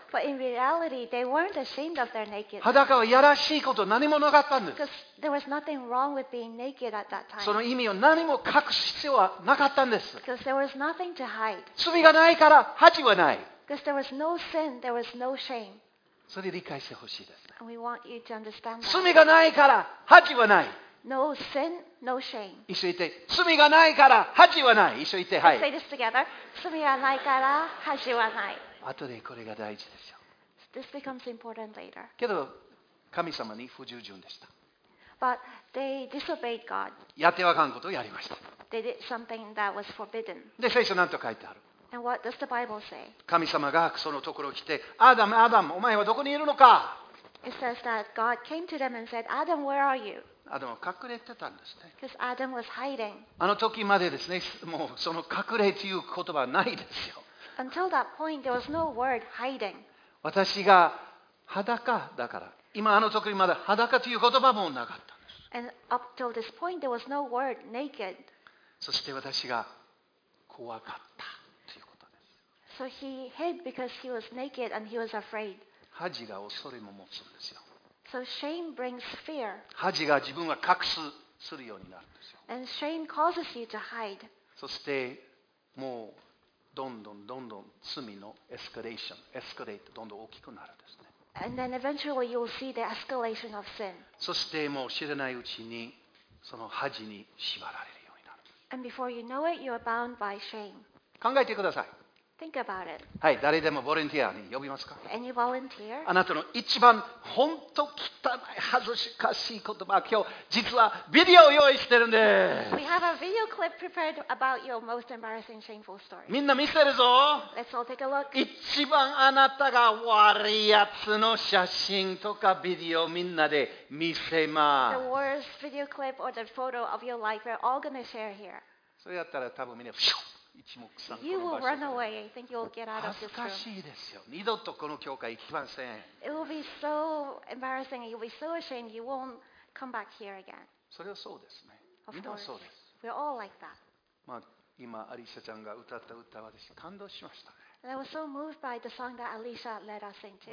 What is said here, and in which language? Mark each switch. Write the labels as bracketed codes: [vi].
[en] But in reality, they weren't ashamed of their nakedness. [ja] 裸はやらしいこと何もなかったんです。 [en] Because there was nothing wrong with being naked at that time. [ja] その意味を何も隠す必要はなかったんです。 [en] Because there was nothing to hide. [ja] 罪がないから恥はない。 [en] Because there was no sin, there was no shame. [ja] それ理解してほしいです。 [en] And we want you to understand that. [ja] 罪がないから恥はない。 [en] No sin, no shame. [ja] 一緒に言って、罪がないから恥はない。一緒に言って、はい。 [en] Let's say this together. [ja] 罪がないから恥はない。後でこれが大事ですよ。 [en] This becomes important later. [ja] けど神様に不従順でした。 [en] But they disobeyed God. [ja] やってはあかんことをやりました。 [en] They did something that was forbidden. [ja] で聖書なんと書いてある。 [en] And what does the Bible say? [ja] 神様がそのところ来て、アダム、アダム、お前はどこにいるのか。 [en] It says that God came to them and said, Adam, where are you? [ja] アダムは隠れてたんですね。 [en] Because Adam was hiding. [ja] あの時までですね、もうその隠れという言葉はないですよ。 [en] Until that point, there was no word hiding. [ja] 私が裸だから、今あの時まだ裸という言葉もなかったんです。 [en] And up till this point, there was no word naked. [ja] そして私が怖かったということです。 [en] So he hid because he was naked and he was afraid. [ja] 恥が恐れも持つんですよ。 [en] So shame brings fear. [ja] 恥が自分は隠すするようになるんですよ。 [en] And shame causes you to hide. [ja] そしてもうどんどんどんどん罪のエスカレーション、エスカレート、どんどん大きくなるんですね。 [en] And then eventually you'll see the escalation of sin. [ja] そしてもう知らないうちにその恥に縛られるようになる。 [en] And before you know it, you are bound by shame. [ja] 考えてください。 [en] Think about it. [ja] はい、誰でもボランティアに呼びますか。 [en] Any volunteer? [ja] あなたの一番本当汚い恥ずかしい言葉、今日実はビデオを用意してるんです。 [en] We have a video clip prepared about your most embarrassing, shameful story. [ja] みんな見せるぞ。 [en] Let's all take a look. [ja] 一番あなたが悪いやつの写真とかビデオみんなで見せます。 [en] The worst video clip or the photo of your life, we're all going to share here. [ja] それやったら多分みんな、ふしょ。 [en] You will run away. I think you'll get out of this room. [ja] 恥ずかしいですよ。二度とこの教会行きません。 [en] It will be so embarrassing. You'll be so ashamed. You won't come back here again. [ja] それはそうですね。みんなそうです。 [en] We're all like that. [ja] まあ今アリシャちゃんが歌った歌は私感動しましたね。 [en] I was so moved by the song that Alicia led us into.